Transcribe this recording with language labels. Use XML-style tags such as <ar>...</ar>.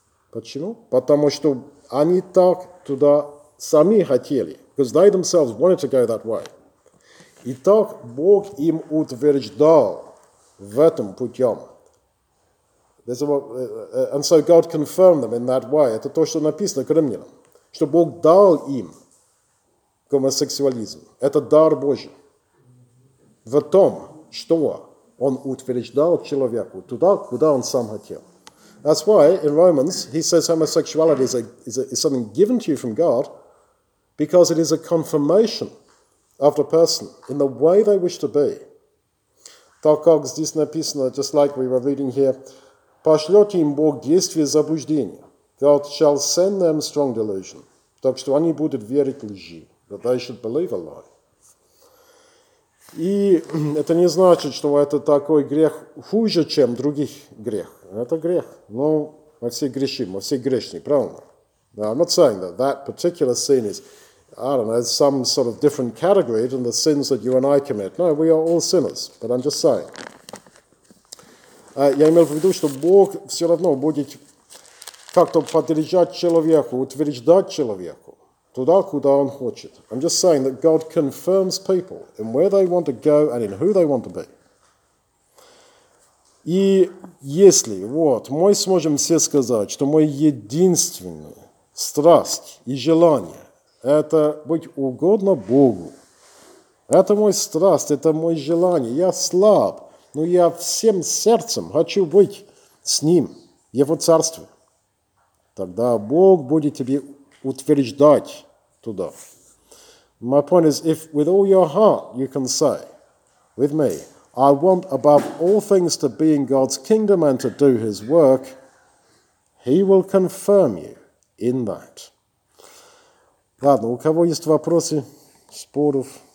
<ru>Почему? Потому что они так туда сами хотели.</ru> <en>Because they themselves wanted to go that way.</en> <ru>Итак, Бог им утверждал в этом путем.</ru> <en>And so God confirmed them in that way.</en> <ru>Это то, что написано к римлянам. Что Бог дал им гомосексуализм. Это дар Божий. В том, что он утверждал человеку туда, куда он сам хотел.</ru> <en>That's why in Romans he says homosexuality is something given to you from God. Because it is a confirmation of the person in the way they wish to be.</en> <ru>Так как здесь написано,</ru> <en>just like we were reading here,</en> <ru>пошлет им Бог действие заблуждения.</ru> <en>God shall send them strong delusion.</en> <ru>Так что они будут верить лжи.</ru> <en>That they should believe a lie.</en> <ru>И это не значит, что это такой грех хуже, чем других грех. Это грех. Но мы все грешим, мы все грешны, правильно?</ru> <en>Now, I'm not saying that particular sin is... I don't know, it's some sort of different category than the sins that you and I commit. No, we are all sinners, but I'm just saying.</en> <ru>Я имел в виду, что Бог все равно будет как-то подряжать человеку, утверждать человеку туда, куда он хочет.</ru> <en>I'm just saying that God confirms people in where they want to go and in who they want to be.</en> <ru>И если, вот, мы сможем все сказать, что мой единственный страсть и желание это быть угодно Богу. Это мой страсть, это мое желание. Я слаб, но я всем сердцем хочу быть с Ним, Его Царстве. Тогда Бог будет тебе утверждать туда.</ru> <en>My point is, if with all your heart you can say with me, I want above all things to be in God's kingdom and to do His work, He will confirm you in that.</en> <ru>Ладно, у кого есть вопросы, споров?</ru>